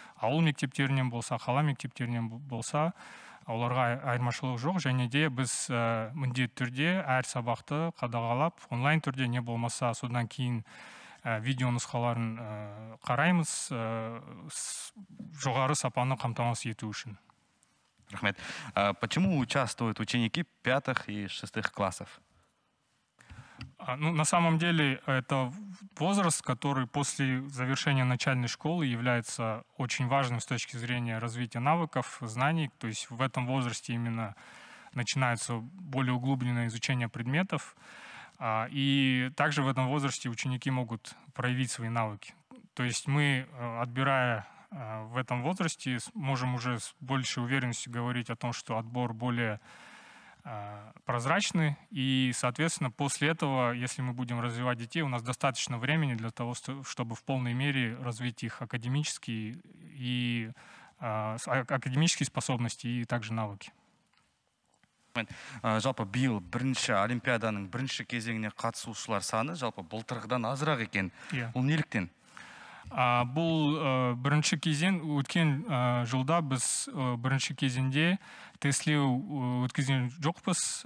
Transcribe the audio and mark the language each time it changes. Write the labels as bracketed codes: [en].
[kk] Ауыл мектептерінен болса, қала мектептерінен болса, оларға айырмашылық жоқ. Және де біз міндет түрде әр сабақты қадағалап, онлайн түрде не болмаса, содан кейін видео нұсқаларын қараймыз, жоғары сапаны қамтамасыз ету үшін. Рахмет. [ru] Почему участвуют ученики 5-6 классов? На самом деле, это возраст, который после завершения начальной школы является очень важным с точки зрения развития навыков, знаний. То есть в этом возрасте именно начинается более углубленное изучение предметов. И также в этом возрасте ученики могут проявить свои навыки. То есть мы, отбирая в этом возрасте, можем уже с большей уверенностью говорить о том, что отбор более прозрачный. И, соответственно, после этого, если мы будем развивать детей, у нас достаточно времени для того, чтобы в полной мере развить их академические способности и также навыки. [kk] Жалпы биыл бірінші олимпиаданың бірінші кезеңіне қатысушылар саны жалпы былтырғыдан азырақ екен. Бұл неліктен? Бұл бірінші кезең, өткен жылда біз бірінші кезеңде тестілеу өткізген жоқпыз.